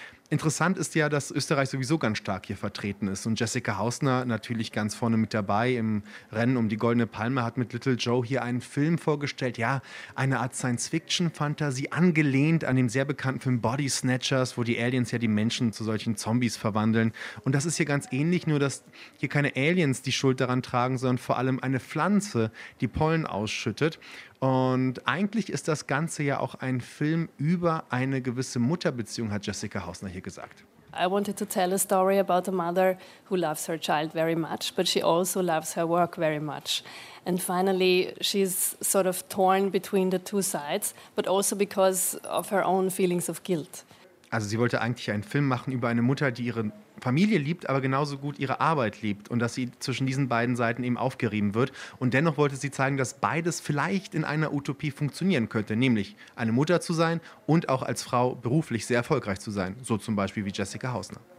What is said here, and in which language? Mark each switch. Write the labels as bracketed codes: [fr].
[de] Interessant ist ja, dass Österreich sowieso ganz stark hier vertreten ist und Jessica Hausner natürlich ganz vorne mit dabei im Rennen um die Goldene Palme hat mit Little Joe hier einen Film vorgestellt, ja, eine Art Science-Fiction-Fantasy, angelehnt an dem sehr bekannten Film Body Snatchers, wo die Aliens ja die Menschen zu solchen Zombies verwandeln und das ist hier ganz ähnlich, nur dass hier keine Aliens die Schuld daran tragen, sondern vor allem eine Pflanze, die Pollen ausschüttet. Und eigentlich ist das Ganze ja auch ein Film über eine gewisse Mutterbeziehung, hat Jessica Hausner hier gesagt. [en] I wanted to tell a story about a mother who loves her child very much, but she also loves her work very much. And finally, she's sort of torn between the two sides, but also because of her own feelings of guilt. [de] Also sie wollte eigentlich einen Film machen über eine Mutter, die ihre Familie liebt, aber genauso gut ihre Arbeit liebt und dass sie zwischen diesen beiden Seiten eben aufgerieben wird. Und dennoch wollte sie zeigen, dass beides vielleicht in einer Utopie funktionieren könnte, nämlich eine Mutter zu sein und auch als Frau beruflich sehr erfolgreich zu sein, so zum Beispiel wie Jessica Hausner.